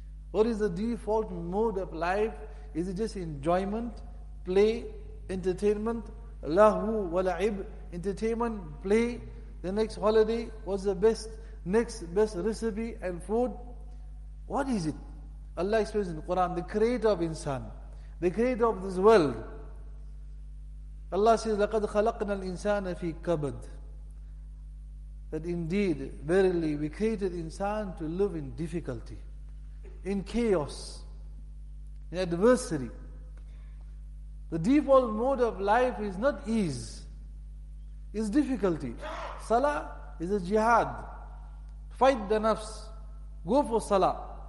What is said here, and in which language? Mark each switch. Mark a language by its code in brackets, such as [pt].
[en] What is the default mode of life? Is it just enjoyment, play, entertainment? Lahu wa la'ib, entertainment, play. The next holiday, what's the best, next best recipe and food? What is it? Allah explains in the Quran, the creator of insan, the creator of this world. Allah says, [ar] لَقَدْ خَلَقْنَا الْإِنسَانَ فِي كَبَدْ. [en] That indeed, verily, we created insan to live in difficulty, in chaos, in adversity. The default mode of life is not ease, it's difficulty. Salah is a jihad. Fight the nafs. Go for salah.